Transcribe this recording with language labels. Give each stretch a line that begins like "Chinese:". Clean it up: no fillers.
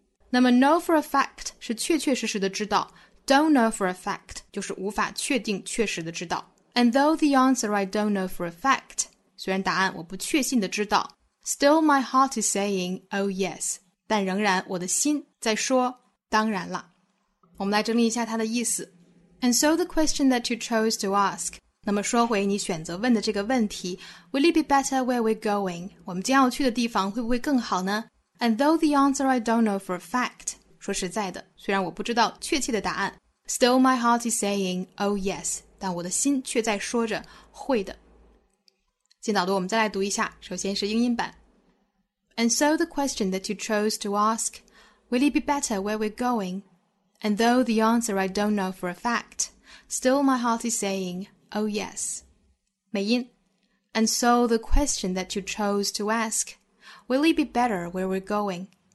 Chinese: 那么 know for a fact 是确确实实的知道，
English: Don't know for a fact
Chinese: 就是无法确定确实的知道。
English: And though the answer I don't know for a fact，
Chinese: 虽然答案我不确信的知道，
English: Still my heart is saying, oh yes.
Chinese: 但仍然我的心在说当然了。我们来整理一下它的意思。
English: And so the question that you chose to ask.
Chinese: 那么说回你选择问的这个问题。
English: Will it be better where we're going?
Chinese: 我们将要去的地方会不会更好呢？
English: And though the answer I don't know for a fact,
Chinese: 说实在的，虽然我不知道确切的答案 ,
English: still my heart is saying, oh yes,
Chinese: 但我的心却在说着会的。进导读我们再来读一下，首先是英音版。
English: And so the question that you chose to ask, will it be better where we're going? And though the answer I don't know for a fact, still my heart is saying, oh yes.
Chinese: 美音。
English: And so the question that you chose to ask,Will it be better where we're going?